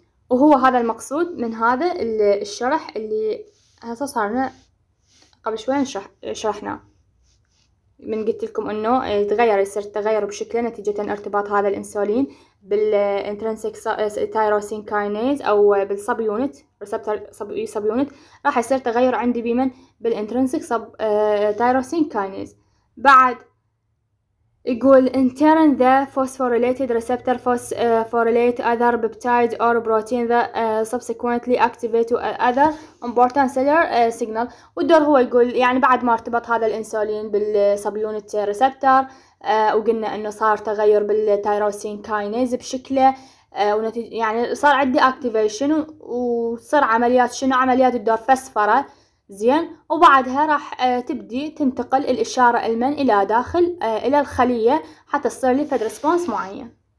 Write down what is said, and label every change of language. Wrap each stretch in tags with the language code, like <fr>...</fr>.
<ar>وهو هذا المقصود من هذا الشرح اللي هسه صارنا قبل شوي شرحناه، من قلت لكم انه تغير يصير تغير بشكل نتيجة ارتباط هذا الانسولين بالانترنسيك تايروسين كاينيز او بالسب يونت ريسبتر سب يونت، راح يصير تغير عندي بمن بالانترنسيك سب تايروسين كاينيز. بعد يقول</ar> <en>in turn the phosphorylated receptor phosphorylate other peptide or protein that subsequently activate other important cellular signal.</en> <ar>والدور هو يقول يعني بعد ما ارتبط هذا الانسولين بالسبيونت ريسبتر وقلنا انه صار تغير بالتايروسين كاينيز بشكله ونتيجة يعني صار عندي اكتيفيشن وصار عمليات شنو عمليات الدور فسفرة زين، وبعدها راح تبدي تنتقل الاشاره المن الى داخل الى الخليه حتى تصير لي فد ريسبونس معين.</ar>